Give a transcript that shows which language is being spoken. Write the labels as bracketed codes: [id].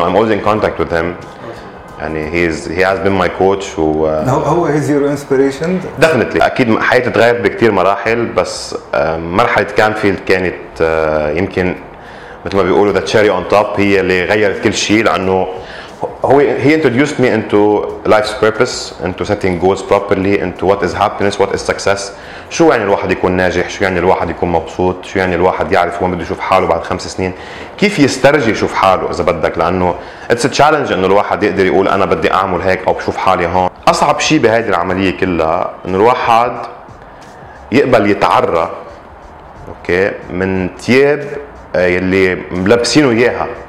[en] I'm always in contact with him. يعني he has been my coach. و هو is your inspiration definitely. [ar] اكيد حياتي تغيرت بكثير مراحل بس مرحله Canfield كانت يمكن مثل ما بيقولوا the cherry on top هي اللي غيرت كل شيء. [en] لانه هو he introduced me into life's purpose, into setting goals properly, into what is happiness, what is success. [ar] شو يعني الواحد يكون ناجح, شو يعني الواحد يكون مبسوط, شو يعني الواحد يعرف وين بده يشوف حاله بعد 5 سنين, كيف يسترجي يشوف حاله اذا بدك. لانه it's a challenge انه الواحد يقدر يقول انا بدي اعمل هيك او بشوف حالي هون. اصعب شيء بهذه العمليه كلها انه الواحد يقبل يتعرى اوكي من ثياب يلي ملبسينه اياها